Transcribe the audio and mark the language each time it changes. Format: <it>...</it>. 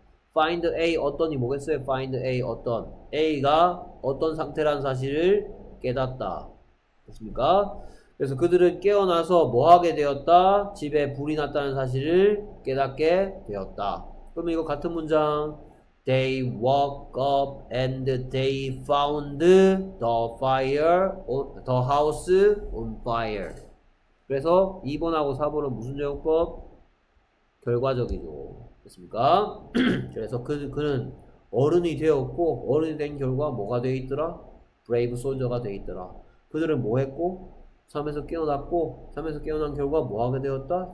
<en>Find a</en> <ko>어떤이 뭐겠어요? Find a 어떤. A가 어떤 상태라는 사실을 깨닫다. 됐습니까? 그래서 그들은 깨어나서 뭐하게 되었다? 집에 불이 났다는 사실을 깨닫게 되었다. 그러면 이거 같은 문장.</ko> <en>They woke up and they found the fire, the house on fire.</en> <ko>그래서 2번하고 4번은 무슨 적용법? 결과적이죠. 됐습니까? 그래서 그는 어른이 되었고, 어른이 된 결과 뭐가 되어 있더라? Brave soldier가 되어 있더라. 그들은 뭐 했고? 섬에서 깨어났고, 섬에서 깨어난 결과 뭐하게 되었다?</ko>